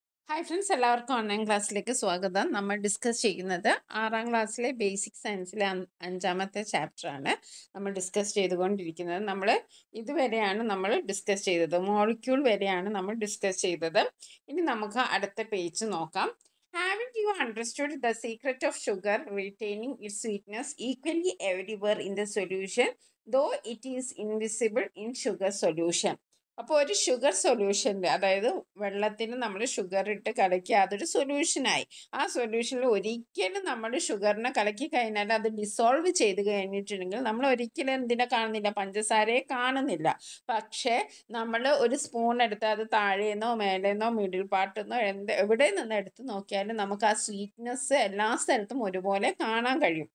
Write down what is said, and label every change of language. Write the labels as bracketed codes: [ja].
[ml] Hi friends, എല്ലാവർക്കും online ക്ലാസ്സിലേക്ക് സ്വാഗതം. നമ്മൾ ഡിസ്കസ് ചെയ്യുന്നത് ആറാം ക്ലാസ്സിലെ ബേസിക് സയൻസിലെ അഞ്ചാമത്തെ ചാപ്റ്ററാണ് നമ്മൾ ഡിസ്കസ് ചെയ്തുകൊണ്ടിരിക്കുന്നത്. നമ്മൾ ഇതുവരെയാണ് നമ്മൾ ഡിസ്കസ് ചെയ്തത്, മോളിക്യൂൾ വരെയാണ് നമ്മൾ ഡിസ്കസ് ചെയ്തത്. ഇനി നമുക്ക് അടുത്ത പേജ് നോക്കാം. [en] Haven't you understood the secret of sugar retaining its sweetness equally everywhere in the solution, though it is invisible in sugar solution? [ml] അപ്പോൾ ഒരു ഷുഗർ സൊല്യൂഷനിൽ, അതായത് വെള്ളത്തിന് നമ്മൾ ഷുഗർ ഇട്ട് കലക്കി അതൊരു സൊല്യൂഷനായി, ആ സൊല്യൂഷനിൽ ഒരിക്കലും നമ്മൾ ഷുഗറിനെ കലക്കി കഴിഞ്ഞാൽ അത് ഡിസോൾവ് ചെയ്ത് കഴിഞ്ഞിട്ടുണ്ടെങ്കിൽ നമ്മൾ ഒരിക്കലും എന്തിനെ കാണുന്നില്ല, പഞ്ചസാരയെ കാണുന്നില്ല. പക്ഷേ നമ്മൾ ഒരു സ്പൂൺ എടുത്ത് അത് താഴെ നിന്നോ മേലെ നിന്നോ മിഡിൽ പാർട്ട് നിന്നോ എന്ത് എവിടെ നിന്ന് എടുത്ത് നോക്കിയാലും നമുക്ക് ആ സ്വീറ്റ്നെസ് എല്ലാ സ്ഥലത്തും ഒരുപോലെ കാണാൻ കഴിയും.